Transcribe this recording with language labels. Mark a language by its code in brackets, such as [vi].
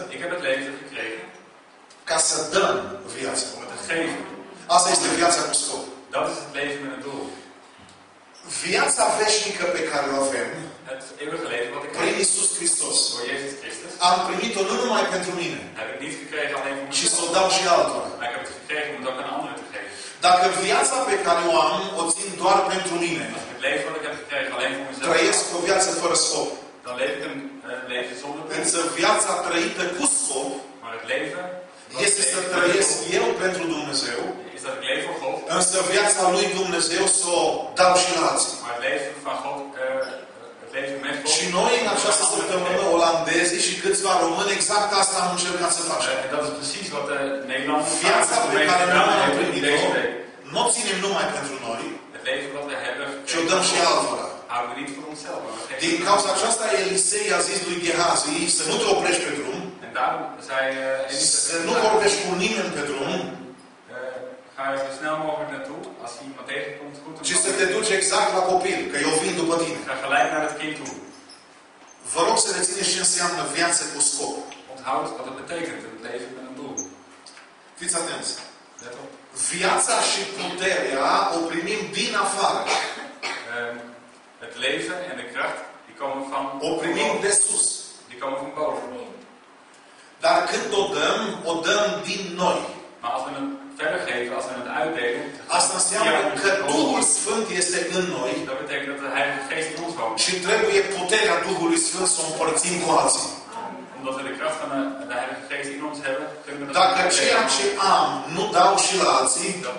[nl] Ik heb het leven gekregen. [ro] Ca să dăm viață. [nl] Om het te geven. [ro] Asta este viața cu scop. [nl] Dat is het leven met een doel. [ro] Viața veșnică pe care o avem. [nl] Het eeuwige leven wat ik heb. [ro] Prin Iisus Hristos. [nl] Door Jezus Christus. [ro] Am primit-o nu numai pentru mine. [nl] Heb ik niet gekregen alleen voor mezelf. [ro] Și s-o dau și altora. [nl] Maar ik heb het gekregen om het ook aan anderen te geven. [ro] Dacă viața pe care o am, o țin doar pentru mine. [nl] Als ik het leven wat ik heb gekregen alleen voor mezelf. [ro] Trăiesc o viață fără scop. [nl] Dan leef ik een leven zonder doel. [ro] Însă viața trăită cu scop. [nl] Maar het leven. [ro] Este să trăiesc eu pentru Dumnezeu. [nl] is dat ik leef voor God. [ro] Însă viața lui Dumnezeu s-o dau și la alții. [nl] Maar leven van God, leven met God. [ro] Și noi în această săptămână olandezii și câțiva români exact asta am încercat să facem. [nl] Dat is precies wat de Nederlanders. [ro] Viața pe care noi am primit-o, nu ținem numai pentru noi. [nl] Het leven wat we hebben, [ro] ci o dăm și altora. [nl] Houden we niet voor onszelf. [ro] Din cauza aceasta Elisei a zis lui Gehazi să nu te oprești pe drum. [nl] En daarom zei [ro] să nu vorbești cu nimeni pe drum. [nl] Ga je zo snel mogelijk naartoe. Als je iemand tegenkomt, goed. [ro] Ci să te duci exact la copil, că eu vin după tine. [nl] Ga gelijk naar het kind toe. [ro] Vă rog să rețineți ce înseamnă viață cu scop. [nl] Onthoud wat het betekent, een leven met een doel. [ro] Fiți atenți. Viața și puterea o primim din afară. [nl] Het leven en de kracht die komen van [ro] o primim de sus, [nl] die komen van boven. [ro] Dar când o dăm din noi. [nl] Maar als we het verder geven, als we het uitdelen, [ro] asta înseamnă că Duhul Sfânt este în noi. [nl] Dat betekent dat de Heilige Geest in ons woont. [ro] Și trebuie puterea Duhului Sfânt să o împărțim cu alții. [nl] Omdat we de kracht van de Heilige Geest in ons hebben, kunnen we dat. [ro] Dacă ceea ce am nu dau și la alții,